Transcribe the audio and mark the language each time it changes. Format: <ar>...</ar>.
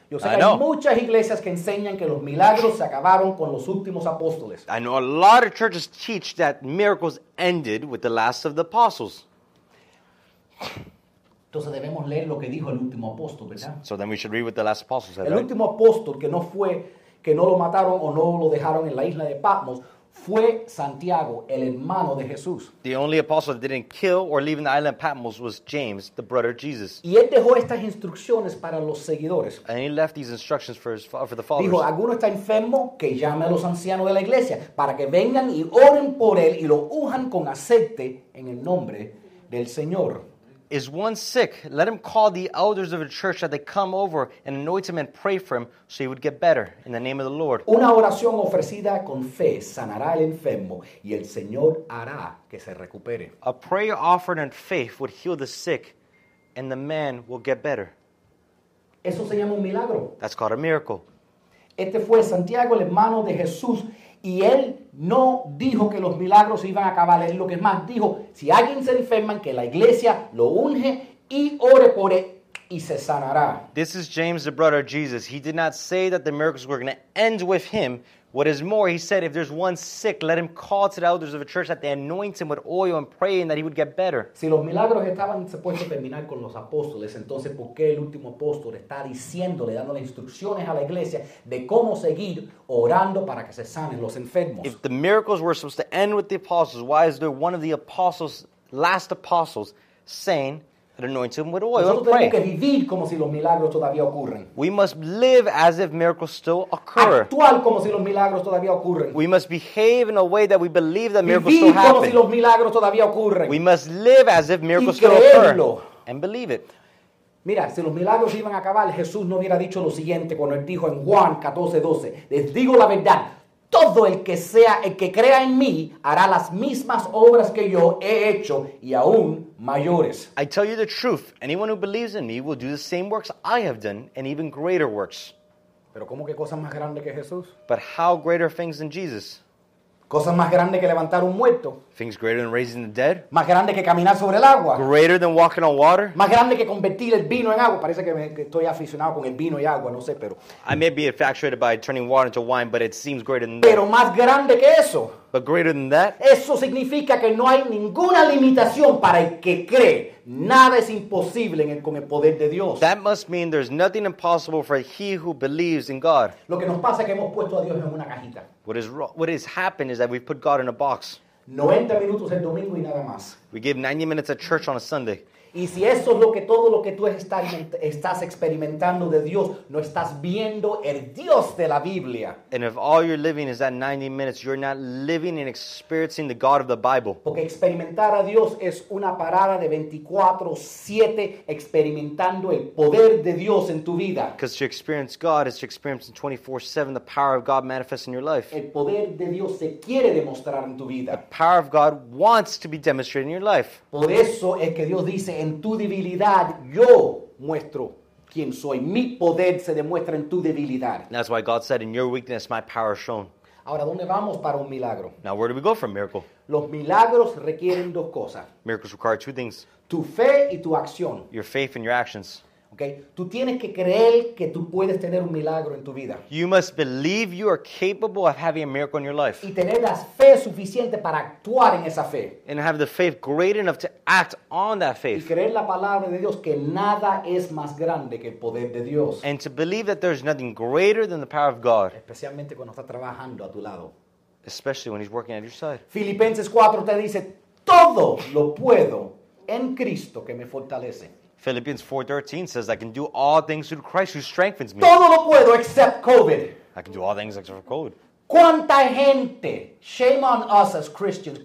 <es>Yo sé que hay muchas iglesias que enseñan que los milagros se acabaron con los últimos apóstoles.</es> <en>I know a lot of churches teach that miracles ended with the last of the apostles.</en> <es>Entonces debemos leer lo que dijo el último apóstol, ¿verdad?</es> <en>So then we should read what the last apostle said.</en> <es>El último apóstol que no lo mataron o no lo dejaron en la isla de Patmos fue Santiago, el hermano de Jesús.</es> <en>The only apostle that didn't kill or leave in the island of Patmos was James, the brother of Jesus.</en> <es>Y él dejó estas instrucciones para los seguidores.</es> <en>And he left these instructions for the followers.</en> <es>Dijo, alguno está enfermo, que llame a los ancianos de la iglesia para que vengan y oren por él y lo unjan con aceite en el nombre del Señor.</es> <en>Is one sick? Let him call the elders of the church that they come over and anoint him and pray for him so he would get better in the name of the Lord.</en> <es>Una oración ofrecida con fe sanará al enfermo y el Señor hará que se recupere.</es> <en>A prayer offered in faith would heal the sick and the man will get better.</en> <es>Eso se llama un milagro.</es> <en>That's called a miracle.</en> <es>Este fue Santiago, el hermano de Jesús. Y él no dijo que los milagros se iban a acabar. Él lo que más dijo, si alguien se enferma, que la iglesia lo unge y ore por él y se sanará.</es> <en>This is James, the brother of Jesus. He did not say that the miracles were going to end with him. What is more, he said, if there's one sick, let him call to the elders of the church that they anoint him with oil and pray and that he would get better.</en> <es>Si los milagros estaban supuestos a terminar con los apóstoles, entonces ¿por qué el último apóstol está diciéndole, dándole instrucciones a la iglesia de cómo seguir orando para que se sanen los enfermos?</es> <en>If the miracles were supposed to end with the apostles, why is there one of the apostles, last apostles, saying that anoint him with oil and pray?</en> <es>Que vivir como si los milagros todavía ocurren.</es> <en>We must live as if miracles still occur.</en> <es>Actuar como si los milagros todavía ocurren.</es> <en>We must behave in a way that we believe that</en> <es>vivir</es> <en>miracles still</en> <es>como</es> <en>happen.</en> <es>Si los milagros todavía ocurren.</es> <en>We must live as if miracles</en> <es>y</es> <en>still</en> <es>creerlo.</es> <en>Occur. And believe it.</en> <es>Mira, si los milagros iban a acabar, Jesús no hubiera dicho lo siguiente cuando él dijo en Juan 14:12, les digo la verdad, todo el que crea en mí hará las mismas obras que yo he hecho y aún mayores.</es> <en>I tell you the truth. Anyone who believes in me will do the same works I have done and even greater works.</en> <es>Pero ¿cómo que cosas más grandes que Jesús?</es> <en>But how greater things than Jesus?</en> <es>Cosas más grandes que levantar un muerto.</es> <en>Things greater than raising the dead.</en> <es>Más grande que caminar sobre el agua.</es> <en>Greater than walking on water.</en> <es>Más grande que convertir el vino en agua. Parece que estoy aficionado con el vino y agua, no sé, pero.</es> <en>I may be infatuated by turning water into wine, but it seems greater than</en> <es>that. Pero más grande que eso.</es> <en>But greater than that.</en> <es>Eso significa que no hay ninguna limitación para el que cree. Nada es imposible en el, con el poder de Dios.</es> <en>That must mean there's nothing impossible for he who believes in God.</en> <es>Lo que nos pasa es que hemos puesto a Dios en una cajita.</es> <en>What has happened is that we've put God in a box.</en> <es>90 minutos el domingo y nada más.</es> <en>We give 90 minutes at church on a Sunday.</en> <es>Y si eso es lo que todo lo que tú estás experimentando de Dios, no estás viendo el Dios de la Biblia.</es> <en>And if all you're living is that 90 minutes, you're not living and experiencing the God of the Bible.</en> <es>Porque experimentar a Dios es una parada de 24/7 experimentando el poder de Dios en tu vida.</es> <en>Because to experience God is to experience 24/7 the power of God manifest in your life.</en> <es>El poder de Dios se quiere demostrar en tu vida.</es> <en>The power of God wants to be demonstrated in your life.</en> <es>Por eso es que Dios dice, en tu debilidad yo muestro quién soy. Mi poder se demuestra en tu debilidad.</es> <en>That's why God said, in your weakness, my power is shown.</en> <es>Ahora, ¿dónde vamos para un milagro?</es> <en>Now, where do we go for a miracle?</en> <es>Los milagros requieren dos cosas.</es> <en>Miracles require two things.</en> <es>Tu fe y tu acción.</es> <en>Your faith and your actions. Okay?</en> <es>Tú tienes que creer que tú puedes tener un milagro en tu vida.</es> <en>You must believe you are capable of having a miracle in your life.</en> <es>Y tener la fe suficiente para actuar en esa fe.</es> <en>And have the faith great enough to act on that faith.</en> <es>Y creer la palabra de Dios que nada es más grande que el poder de Dios.</es> <en>And to believe that there's nothing greater than the power of God.</en> <es>Especialmente cuando está trabajando a tu lado.</es> <en>Especially when he's working at your side.</en> <es>Filipenses 4 te dice, todo lo puedo en Cristo que me fortalece.</es> <en>Philippians 4:13 says, I can do all things through Christ who strengthens me.</en> <es>Todo lo puedo</es> <en>except COVID. I can do all things except for COVID.</en> <es>¿Cuánta gente?</es> <en>Shame on us as Christians.</en>